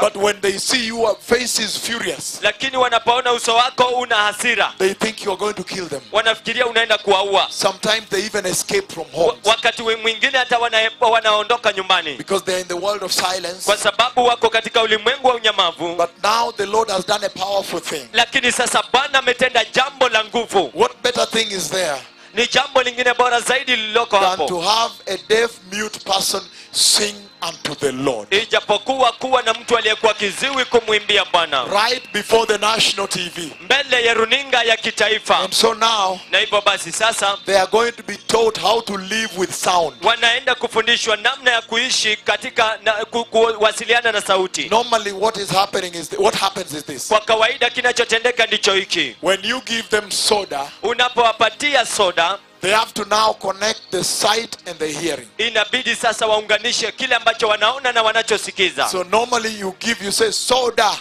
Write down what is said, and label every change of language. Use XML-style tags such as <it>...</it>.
<en>But when they see your face is furious.</en> <sw>Lakini wanapoona uso wako una hasira.</sw> <en>They think you are going to kill them.</en> <sw>Wanafikiria unaenda kuwaua.</sw> <en>Sometimes they even escape from home.</en> <sw>Wakati mwingine hata wanaondoka nyumbani.</sw> <en>Because they are in the world of silence.</en> <sw>Kwa sababu wako katika ulimwengu wa unyamavu.</sw> <en>But now the Lord has done a powerful thing.</en> <sw>Lakini sasa Bwana ametenda jambo la nguvu.</sw> <en>What better thing is there?</en> <sw>Ni jambo lingine bora zaidi liloko hapo.</sw> <en>Than to have a deaf mute person sing unto the Lord.</en> <sw>Ijapokuwa kuwa na mtu aliyekuwa kiziwi kumwimbia Bwana.</sw> <en>Right before the national TV.</en> <sw>Mbele ya runinga ya kitaifa.</sw> <en>And so now.</en> <sw>Na hivyo basi sasa.</sw> <en>They are going to be taught how to live with sound.</en> <sw>Wanaenda kufundishwa namna ya kuishi katika kuwasiliana na sauti.</sw> <en>Normally what is happening is what happens is this.</en> <sw>Kwa kawaida kinachotendeka ndicho hiki.</sw> <en>When you give them soda.</en> <sw>Unapowapatia soda.</sw> <en>They have to now connect the sight and the hearing.</en> <sw>Inabidi sasa waunganishe kile ambacho wanaona na wanachosikiza.</sw> <en>So normally you give you say soda.</en>